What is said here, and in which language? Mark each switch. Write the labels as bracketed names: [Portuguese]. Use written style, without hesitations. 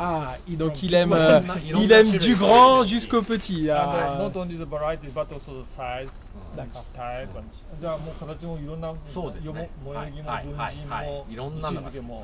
[French] ああ、donc il aime du grand jusqu'au petit. [English] Not only the variety, but also the size, type. [Japanese] じゃあ、もう形もいろんな、そうですね。萌え木も、分人も、いろんなのが好きです。